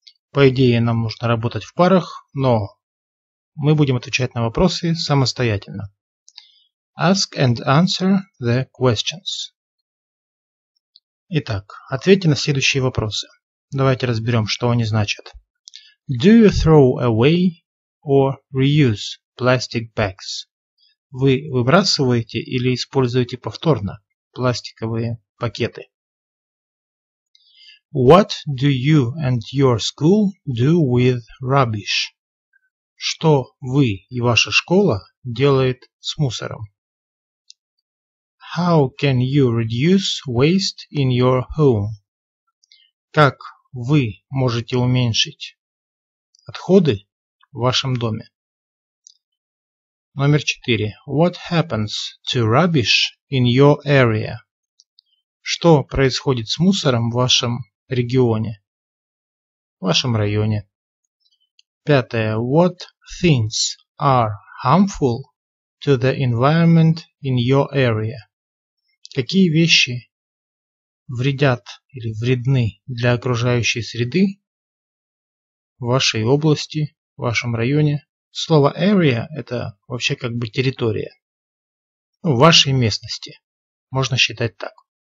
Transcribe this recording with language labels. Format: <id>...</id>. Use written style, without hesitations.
<ru>По идее, нам нужно работать в парах, но мы будем отвечать на вопросы самостоятельно.</ru> <en>Ask and answer the questions.</en> <ru>Итак, ответьте на следующие вопросы. Давайте разберем, что они значат.</ru> <en>Do you throw away or reuse plastic bags?</en> <ru>Вы выбрасываете или используете повторно пластиковые пакеты?</ru> <en>What do you and your school do with rubbish?</en> <ru>Что вы и ваша школа делает с мусором?</ru> <en>How can you reduce waste in your home?</en> <ru>Как вы можете уменьшить отходы в вашем доме? Номер 4.</ru> <en>What happens to rubbish in your area?</en> <ru>Что происходит с мусором в вашем регионе, в вашем районе? 5.</ru> <en>What things are harmful to the environment in your area?</en> <ru>Какие вещи вредят или вредны для окружающей среды в вашей области? В вашем районе. Слово area – это вообще как бы территория. Ну, в вашей местности. Можно считать так.</ru>